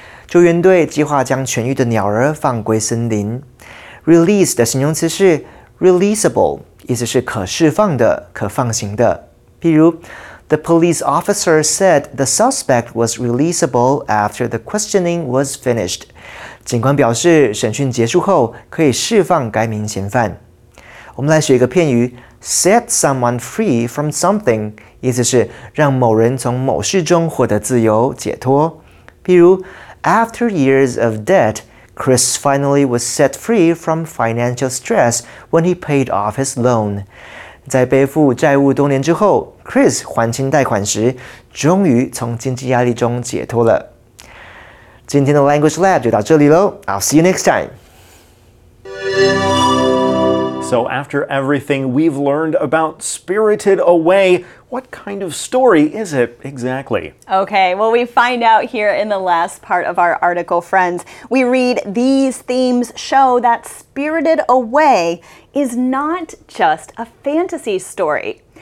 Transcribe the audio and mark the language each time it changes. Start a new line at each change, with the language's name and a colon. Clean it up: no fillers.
Chinese: 救援队计划将痊愈的鸟儿放归森林。 Release 的形容词是 releasable， 意思是可释放的、可放行的。
English: 譬如 ，The police officer said the suspect was releasable after the questioning was finished。
Chinese: 警官表示，审讯结束后可以释放该名嫌犯。我们来学一个片语 ，
English: set someone free from something，
Chinese: 意思是让某人从某事中获得自由、解脱。譬如。
English: After years of debt, Chris finally was set free from financial stress when he paid off his loan.
Chinese: 在背负债务多年之后 ,Chris 还清贷款时终于从经济压力中解脱了。今天的 Language Lab 就到这里咯 ,
English: I'll see you next time! So after everything we've learned about Spirited Away, what kind of story is it exactly? Okay, well, we find out here in the last part of our article, friends. We read, these themes show that Spirited Away is not just a fantasy story.